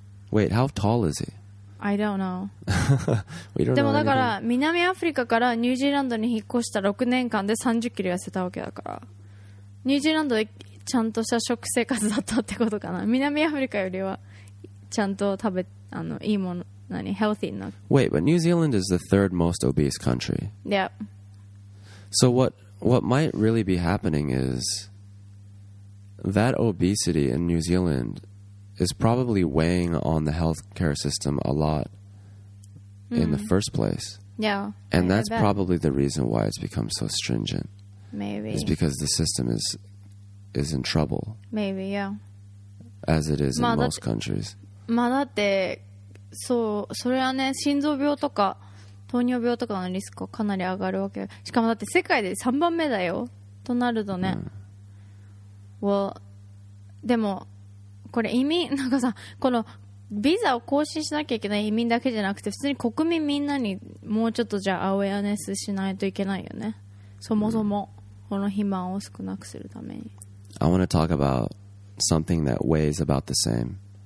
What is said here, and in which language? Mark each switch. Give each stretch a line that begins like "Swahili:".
English: Wait, how tall is he? I don't know. We don't
Japanese: でもだから、南アフリカからニュージーランドに引っ越した6年間で30キロ痩せたわけだから。ニュージーランドでちゃんとした食生活だったってことかな。南アフリカよりはちゃんと食べ、いいもの、何、healthy な。
English: Wait, but New Zealand is the third most obese country. Yeah. So what might really be happening is that obesity in New Zealand is probably weighing on the healthcare system a lot in the first place. Yeah. And that's probably the reason why it's become so stringent. Maybe. It's because the system is in trouble. Maybe, yeah. As it is in most countries.
Japanese: まあだって、そう、それはね、心臓病とか糖尿病とかのリスクがかなり上がるわけ。しかもだって世界で3番目だよ。となるとね。
English: Well,
Japanese: でも、これ移民、なんかさ、このビザを更新しなきゃいけない移民だけじゃなくて、普通に国民みんなにもうちょっとじゃあアウェアネスしないといけないよね。そもそも、この肥満を少なくするために。
English: I want to talk about something that weighs about the same.